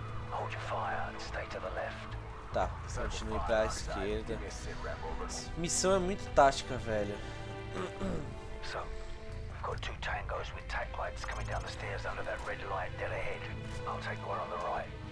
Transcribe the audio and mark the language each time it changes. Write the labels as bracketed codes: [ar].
[en] Hold your fire and stay to the left. [pt] Tá, continue pra esquerda. Missão é muito tática, velho. [en] So, we've got two tangos with tac lights coming down the stairs under that red light dead ahead. I'll take one on the right.